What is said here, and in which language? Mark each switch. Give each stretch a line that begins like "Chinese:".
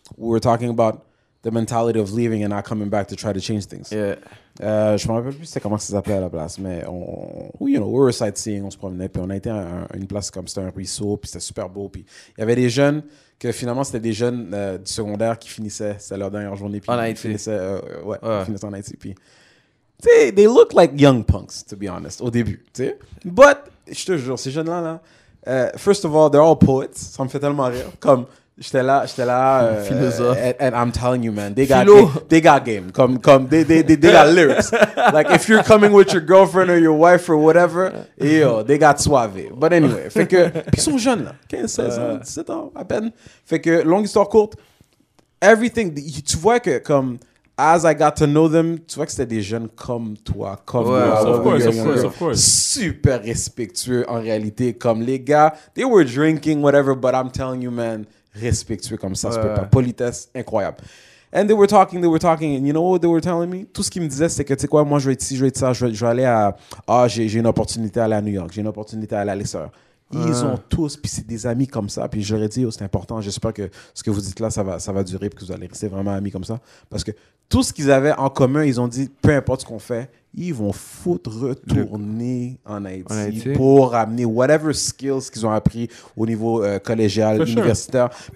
English: We were talking about the mentality of leaving and not coming back to try to change things. Yeah.
French: Je me rappelle plus c'était comment ça s'appelait à la place, mais
English: we were sightseeing,
French: on se promenait, puis on a été à une place comme c'était un ruisseau, puis c'était super beau, puis il y avait des jeunes que finalement c'était des jeunes du secondaire qui finissaient, c'était leur dernière journée, puis en Haïti. Ils finissaient en Haïti, puis
English: they look like young punks, to be honest,
French: au début, tu sais. But, je te jure, ces jeunes-là,
English: first of all, they're all poets,
French: ça me fait tellement rire, comme... J'étais là, philosophe.
English: And I'm telling you, man, they got game. Come, they got lyrics. Like, if you're coming with your girlfriend or your wife or whatever, yo, they got suave. But anyway,
French: fait que, puis ils sont jeunes, là. 15, 16 ans, 17 ans, à peine. Fait que, longue histoire courte, everything, tu vois que, comme,
English: as I got to know them,
French: tu vois que c'était des jeunes comme toi, comme moi.
English: Of course.
French: Super respectueux, en réalité, comme les gars.
English: They were drinking, whatever, but I'm telling you, man,
French: respectueux comme ça, c'est pas politesse incroyable.
English: And they were talking, and you know what they were telling me?
French: Tout ce qu'ils me disaient, c'est que, tu sais quoi, moi, je vais être ici, je vais être ça, je vais aller à... Ah, j'ai une opportunité à aller à New York, j'ai une opportunité à aller à l'extérieur. Ils ont tous, puis c'est des amis comme ça, puis je leur ai dit, oh, c'est important, j'espère que ce que vous dites là, ça va durer, puis que vous allez rester vraiment amis comme ça. Parce que tout ce qu'ils avaient en commun, ils ont dit, peu importe ce qu'on fait, ils vont retourner en Haïti pour amener whatever skills qu'ils ont appris au niveau collégial, for universitaire. Sure.